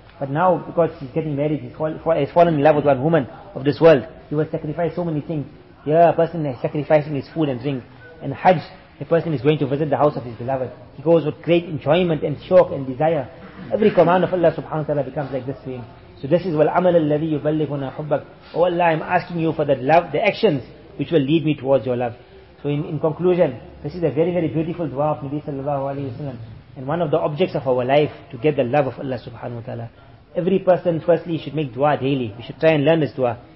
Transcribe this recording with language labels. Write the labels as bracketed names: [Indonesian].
[English] But now, because he's getting married, he's fallen in love with one woman of this world, he will sacrifice so many things. Yeah, a person is sacrificing his food and drink. And Hajj, a person is going to visit the house of his beloved. He goes with great enjoyment and shock and desire. Every command of Allah subhanahu wa ta'ala becomes like this to him. So this is [Arabic] وَالْعَمَلَ الَّذِي يُبَلِّغُنَا حُبَّكُ. [English] Oh Allah, I'm asking you for the love, the actions which will lead me towards your love. So in conclusion, this is a very, very beautiful dua of Nabi sallallahu alayhi wa sallam. And one of the objects of our life, to get the love of Allah subhanahu wa ta'ala. Every person firstly should make dua daily. We should try and learn this dua.